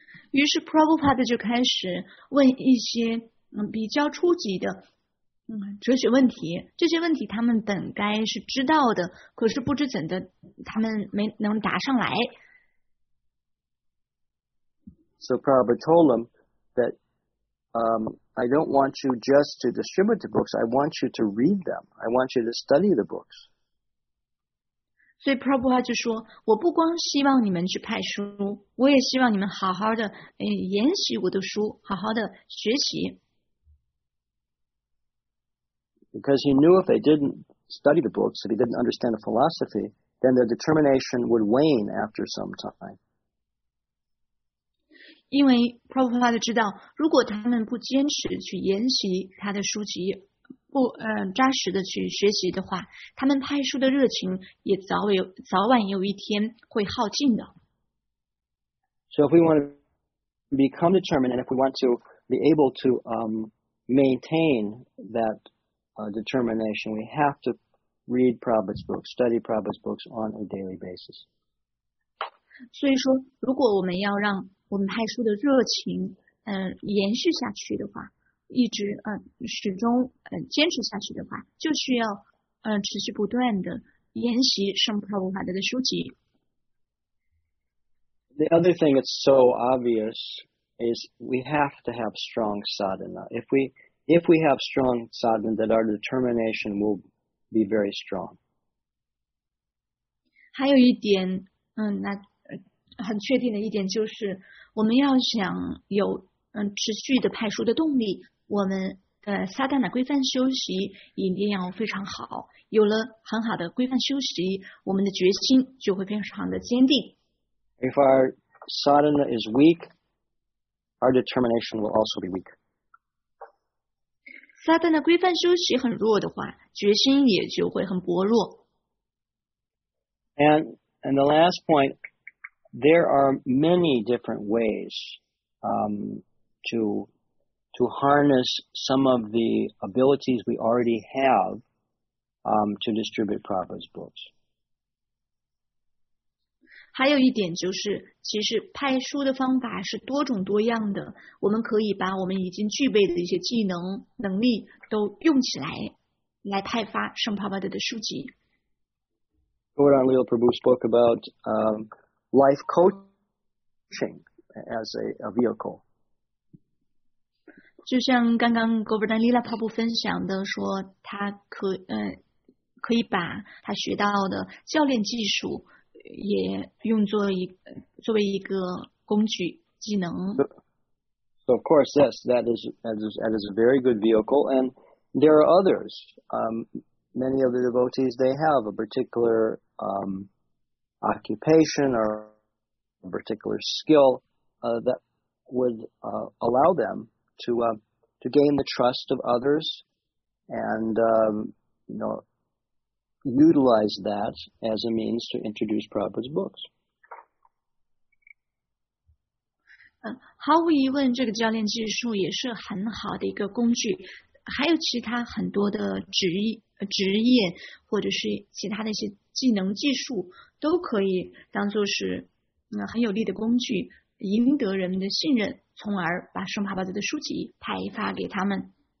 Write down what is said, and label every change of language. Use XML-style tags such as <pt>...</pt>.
<zh>于是 Prabhupada 就开始问一些比较初级的哲学问题，这些问题他们本该是知道的，可是不知怎的他们没能答上来。</zh> <en>So Prabhupada told them that I don't want you just to distribute the books, I want you to read them, I want you to study the books.</en> <zh>所以 Prabhupada 就说，我不光希望你们去派书，我也希望你们好好的研习我的书，好好的学习。</zh> <en>Because he knew if they didn't study the books, if he didn't understand the philosophy, then their determination would wane after some time.</en> <zh>因为 Prabhupada 知道，如果他们不坚持去研习他的书籍，不扎实的去学习的话，他们派书的热情也早晚有一天会耗尽的。</zh> <en>So if we want to become determined, and if we want to be able to maintain that determination, we have to read Prabhupada's books, study Prabhupada's books on a daily basis.</en> <zh>所以说，如果我们要让我们派书的热情延续下去的话，一直始终坚持下去的话，就需要持续不断的研习圣普拉布法德的书籍。</zh> <en>The other thing that's so obvious is we have to have strong sadhana. If we have strong sadhana, that our determination will be very strong.</en> <zh>还有一点，那很确定的一点就是，我们要想有持续的派书的动力。我们的萨达那规范修习一定要非常好，有了很好的规范修习，我们的决心就会非常的坚定。</zh> <en>If our sadhana is weak, our determination will also be weak.</en> <zh>萨达那规范修习很弱的话，决心也就会很薄弱。</zh> <en>And the last point, there are many different ways to harness some of the abilities we already have to distribute Prabhupada's books.</en> <zh>还有一点就是，其实派书的方法是多种多样的，我们可以把我们已经具备的一些技能能力都用起来，来派发圣帕巴德的书籍。</zh> <en>Gauranga Lila Prabhu spoke about life coaching as a vehicle.</en> <zh>就像刚刚 Govardhan Lila Prabhu 分享的说，他可以把他学到的教练技术也用作为一个工具技能。</zh> <en>So of course, yes, that is a very good vehicle, and there are others. Many of the devotees, they have a particular occupation or a particular skill that would allow them to gain the trust of others and utilize that as a means to introduce Prabhupada's books.</en> <zh>毫无疑问，这个教练技术也是很好的一个工具，还有其他很多的职业或者是其他的一些技能技术都可以当作是很有力的工具，赢得人们的信任，从而把圣帕巴德的书籍派发给他们。</zh>